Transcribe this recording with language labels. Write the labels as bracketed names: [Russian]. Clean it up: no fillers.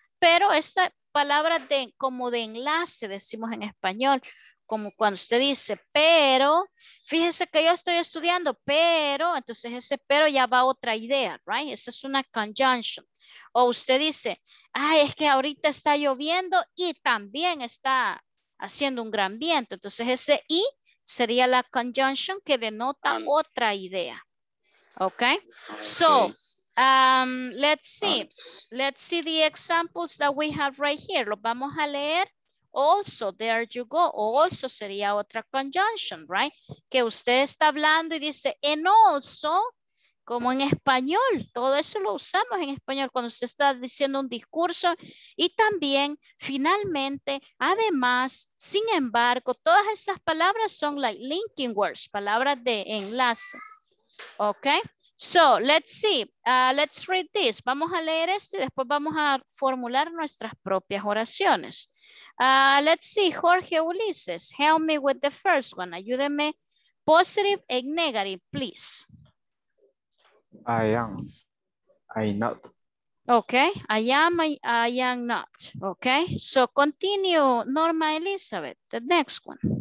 [Spanish] Pero esta palabra de, como de enlace, decimos en español, como cuando usted dice, pero, fíjese que yo estoy estudiando, pero, entonces ese pero ya va a otra idea, right? Esa es una conjunction. O usted dice, ay, es que ahorita está lloviendo y también está haciendo un gran viento. Entonces ese y sería la conjunction que denota otra idea. ¿Ok? [English] So, let's see the examples that we have right here. [Spanish] Los vamos a leer. [English] Also, there you go. [Spanish] Also sería otra conjunction, right? Que usted está hablando y dice, and also, como en español, todo eso lo usamos en español cuando usted está diciendo un discurso. Y también, finalmente, además, sin embargo, todas esas palabras son like linking words, palabras de enlace. ¿Ok? [English] So, let's see. Let's read this. [Spanish] Vamos a leer esto y después vamos a formular nuestras propias oraciones. [English] Let's see, Jorge Ulises, help me with the first one. Ayúdeme, positive and negative, please. I am, I not. Okay, I am, I am not. Okay, so continue, Norma Elizabeth, the next one.